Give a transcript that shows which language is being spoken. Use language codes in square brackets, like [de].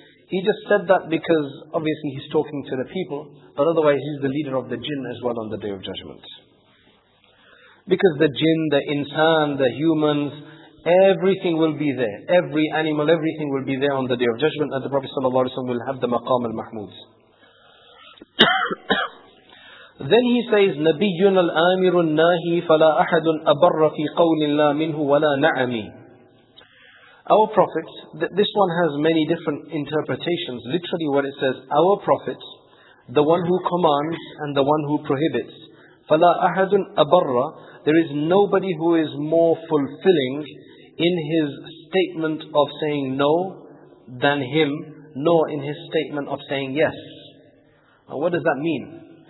[en] He just said that because obviously he's talking to the people, but otherwise he's the leader of the jinn as well on the day of judgment. Because the jinn, the insan, the humans, everything will be there. Every animal, everything will be there on the day of judgment, and the Prophet sallallahu alayhi wa sallam will have the maqam al-mahmood. Then he says, [ar] نَبِيٌّ الْآمِرُ النَّاهِي فَلَا أَحَدٌ أَبَرَّ فِي قَوْلٍ لَا مِنْهُ وَلَا نَعَمِي. [en] Our Prophet, this one has many different interpretations. Literally what it says, our Prophet, the one who commands and the one who prohibits, [ar] فَلَا أَحَدٌ أَبَرَّ, [en] there is nobody who is more fulfilling in his statement of saying no than him, nor in his statement of saying yes. Now what does that mean?